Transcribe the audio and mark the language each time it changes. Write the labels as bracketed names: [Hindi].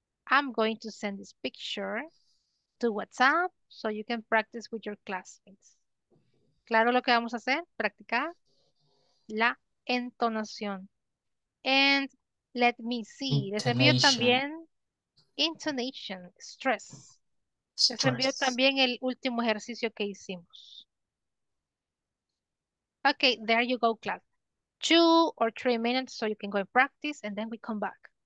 [English] I'm going to send this picture to WhatsApp so you can practice with your classmates. [Spanish] Claro, lo que vamos a hacer, practicar la entonación. [English] And let me see. [Spanish] Les envío también [English] intonation, stress. [Spanish] Les envío también el último ejercicio que hicimos. [English] Okay, there you go, class. 2 or 3 minutes so you can go and practice and then we come back.